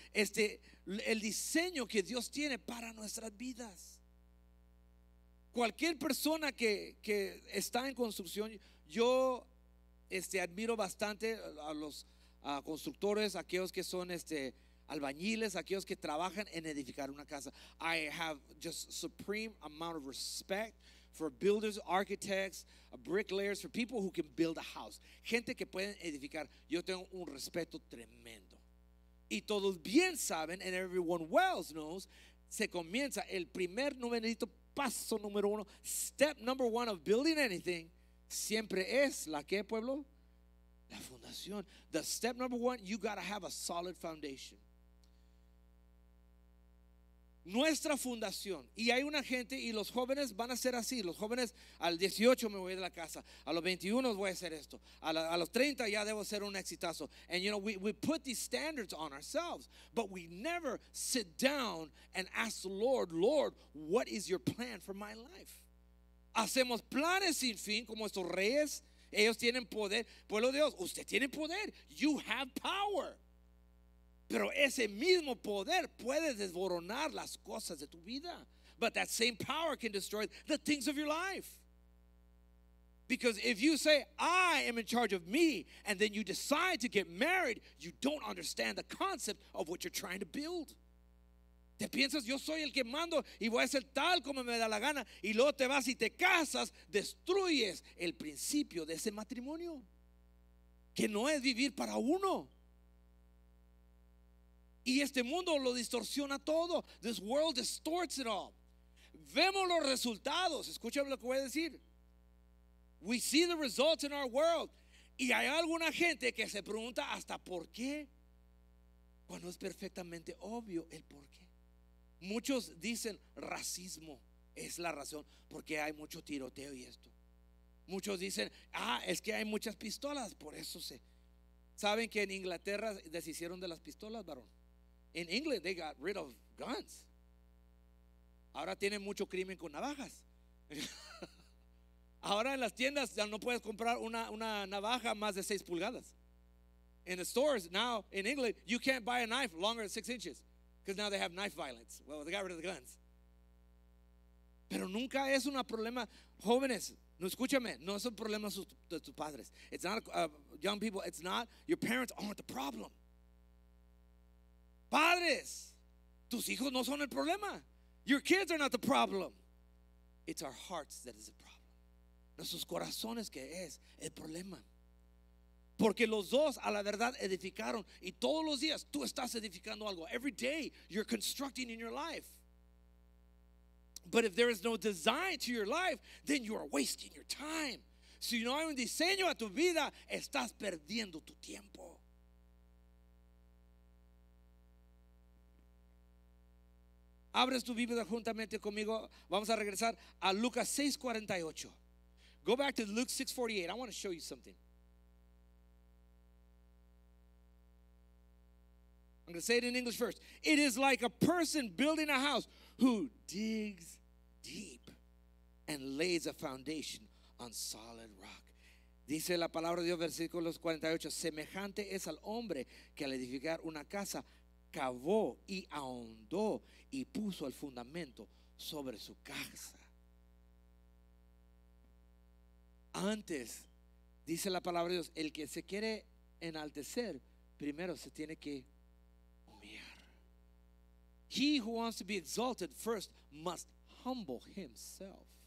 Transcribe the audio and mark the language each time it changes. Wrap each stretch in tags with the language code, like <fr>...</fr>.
<es>El diseño que Dios tiene para nuestras vidas. Cualquier persona que está en construcción, yo admiro bastante a los constructores, aquellos que son albañiles, aquellos que trabajan en edificar una casa.</es> <en>I have just supreme amount of respect for builders, architects, bricklayers, for people who can build a house.</en> <es>Gente que pueden edificar, yo tengo un respeto tremendo. Y todos bien saben,</es> <en>and everyone well knows,</en> <es>se comienza el primer numerito. Paso número uno,</es> <en>step number one of building anything,</en> <es>siempre es la que pueblo, la fundación. The step number one, you gotta have a solid foundation. Nuestra fundación, y hay una gente, y los jóvenes van a ser así. Los jóvenes, al 18 me voy de la casa, a los 21 voy a hacer esto, a los 30 ya debo ser un exitazo.</es> <en>And you know, we put these standards on ourselves, but we never sit down and ask the Lord, Lord, what is your plan for my life?</en> <es>Hacemos planes sin fin, como estos reyes, ellos tienen poder. Pueblo de Dios, usted tiene poder,</es> <en>you have power.</en> <es>Pero ese mismo poder puede desboronar las cosas de tu vida.</es> <en>But that same power can destroy the things of your life. Because if you say, I am in charge of me, and then you decide to get married, you don't understand the concept of what you're trying to build.</en> <es>Te piensas, yo soy el que mando y voy a ser tal como me da la gana. Y luego te vas y te casas, destruyes el principio de ese matrimonio. Que no es vivir para uno. Y este mundo lo distorsiona todo.</es> <en>This world distorts it all.</en> <es>Vemos los resultados. Escúchame lo que voy a decir.</es> <en>We see the results in our world.</en> <es>Y hay alguna gente que se pregunta hasta por qué, cuando es perfectamente obvio el por qué. Muchos dicen racismo es la razón porque hay mucho tiroteo y esto. Muchos dicen, es que hay muchas pistolas, por eso se. ¿Saben que en Inglaterra deshicieron de las pistolas, varón?</es> <en>In England, they got rid of guns.</en> <es>Ahora tienen mucho crimen con navajas. Ahora en las tiendas ya no puedes comprar una navaja más de 6 pulgadas.</es> <en>In the stores now, in England, you can't buy a knife longer than 6 inches. Because now they have knife violence. Well, they got rid of the guns.</en> <es>Pero nunca es un problema. Jóvenes, no escúchame. No es un problema de tus padres.</es> <en>It's not, young people, it's not. Your parents aren't the problem.</en> <es>Padres, tus hijos no son el problema.</es> <en>Your kids are not the problem. It's our hearts that is the problem.</en> <es>Nuestros corazones que es el problema. Porque los dos a la verdad edificaron. Y todos los días tú estás edificando algo.</es> <en>Every day you're constructing in your life. But if there is no design to your life, then you are wasting your time.</en> <es>Si no hay un diseño a tu vida, estás perdiendo tu tiempo. Abres tu Biblia juntamente conmigo. Vamos a regresar a Lucas 6:48.</es> <en>Go back to Luke 6:48. I want to show you something. I'm going to say it in English first. It is like a person building a house who digs deep and lays a foundation on solid rock.</en> <es>Dice la palabra de Dios, versículos 48. Semejante es al hombre que al edificar una casa cavó y ahondó y puso el fundamento sobre su casa. Antes Dice la palabra de Dios, el que se quiere enaltecer, primero se tiene que humillar.</es> <en>He who wants to be exalted first must humble himself.</en>